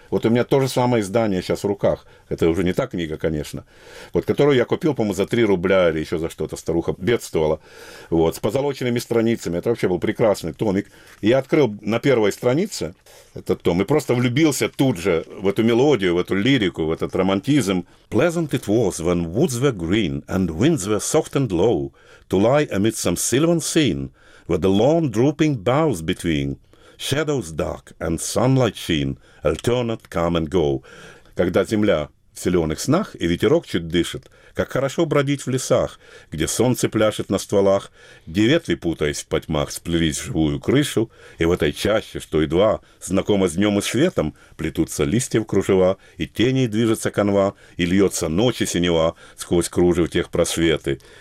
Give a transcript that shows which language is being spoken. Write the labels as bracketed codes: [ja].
[ru] Вот у меня то же самое издание сейчас в руках. Это уже не та книга, конечно. Вот, которую я купил, по-моему, за 3 рубля или еще за что-то. Старуха бедствовала. Вот, с позолоченными страницами. Это вообще был прекрасный томик. И я открыл на первой странице этот том и просто влюбился тут же в эту мелодию, в эту лирику, в этот романтизм. [en] Pleasant it was when woods were green and winds were soft and low to lie amid some sylvan scene with the long drooping boughs between shadows dark and sunlight sheen alternate come and go. [ru] Когда земля в зеленых снах и ветерок чуть дышит, как хорошо бродить в лесах, где солнце пляшет на стволах, где ветви, путаясь в потьмах, сплелись в живую крышу, и в этой чаще, что едва знакома с днем и светом, плетутся листья в кружева, и теней движется канва, и льется ночи синева сквозь кружев тех просветы.